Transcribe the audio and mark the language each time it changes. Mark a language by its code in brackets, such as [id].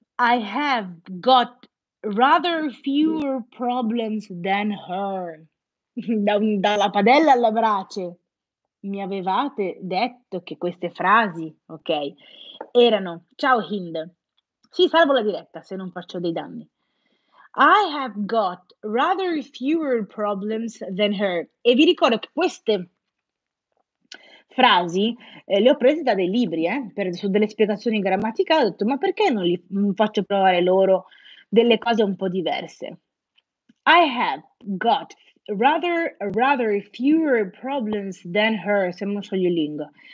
[en] I have got rather fewer problems than her. [it] Dalla padella alla brace. Mi avevate detto che queste frasi, ok, erano ciao Hind. Sì, salvo la diretta se non faccio dei danni. [en] I have got rather fewer problems than her. [it] E vi ricordo che queste frasi le ho prese da dei libri, su delle spiegazioni grammaticali. Ho detto, ma perché non li faccio provare loro delle cose un po' diverse? [en] I have got rather fewer problems than her, [it] siamo su Duolingo.